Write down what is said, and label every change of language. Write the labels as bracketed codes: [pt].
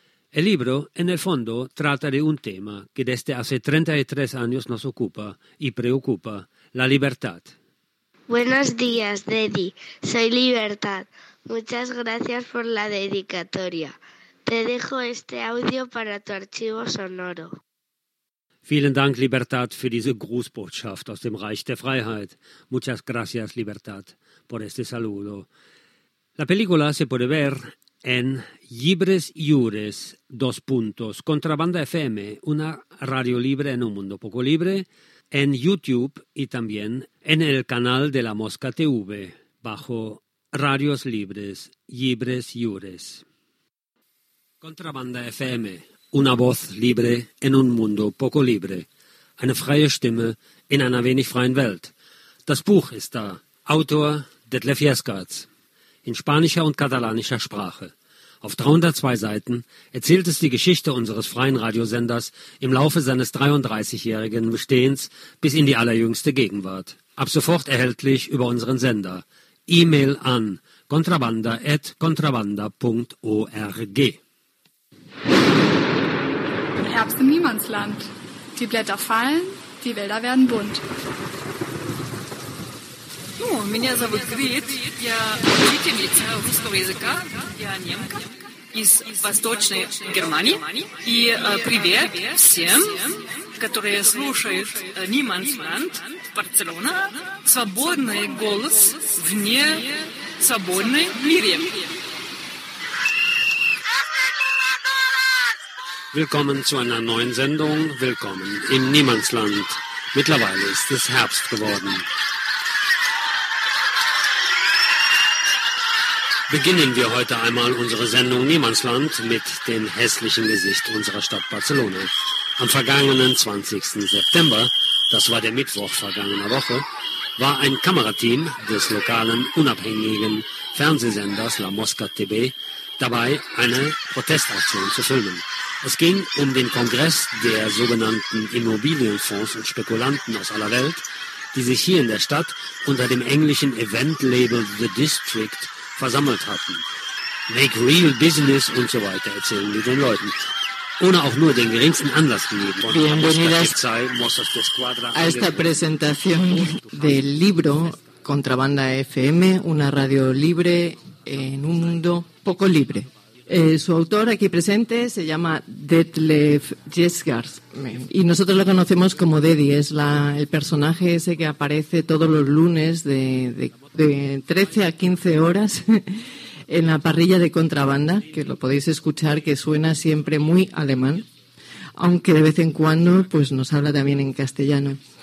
[es] El libro, en el fondo, trata de un tema que desde hace 33 años nos ocupa y preocupa, la libertad. Buenos días, Deddy. Soy Libertad. Muchas gracias por la dedicatoria. Te dejo este audio para tu archivo sonoro. [de] Vielen Dank, Libertad, für diese Grußbotschaft aus dem Reich der Freiheit. [es] Muchas gracias, Libertad, por este saludo. La película se puede ver en Llibres Lliures, dos puntos, Contrabanda FM, una radio libre en un mundo poco libre, en YouTube y también en el canal de La Mosca TV, bajo Radios Libres, Llibres Lliures. Contrabanda FM, una voz libre en un mundo poco libre, [de] eine freie Stimme in einer wenig freien Welt. Das Buch ist da, Autor Detlef Jeskatz, in spanischer und katalanischer Sprache. Auf 302 Seiten erzählt es die Geschichte unseres freien Radiosenders im Laufe seines 33-jährigen Bestehens bis in die allerjüngste Gegenwart. Ab sofort erhältlich über unseren Sender. E-Mail an contrabanda@contrabanda.org. Herbst im Niemandsland. Die Blätter fallen, die Wälder werden bunt. [ru] Меня зовут Грит, я учительница русского языка, я немка из Восточной Германии. И привет всем, которые слушают Niemandsland, Барселона, свободный голос в несвободной мире. [de] Willkommen zu einer neuen Sendung, willkommen in Niemandsland. Mittlerweile ist es Herbst geworden. Beginnen wir heute einmal unsere Sendung Niemandsland mit dem hässlichen Gesicht unserer Stadt Barcelona. Am vergangenen 20. September, das war der Mittwoch vergangener Woche, war ein Kamerateam des lokalen unabhängigen Fernsehsenders La Mosca TV dabei, eine Protestaktion zu filmen. Es ging um den Kongress der sogenannten Immobilienfonds und Spekulanten aus aller Welt, die sich hier in der Stadt unter dem englischen Eventlabel The District versammelt hatten. [en] Make real business [de] und so weiter, erzählen wir den Leuten. Ohne auch nur den geringsten Anlass gegeben. [es] Bienvenidas a esta presentación del libro Contrabanda FM, una radio libre en un mundo poco libre. Su autor aquí presente se llama Detlef Jesgard y nosotros lo conocemos como Dedi, es el personaje ese que aparece todos los lunes de 13 a 15 horas en la parrilla de Contrabanda, que lo podéis escuchar, que suena siempre muy alemán, aunque de vez en cuando pues nos habla también en castellano.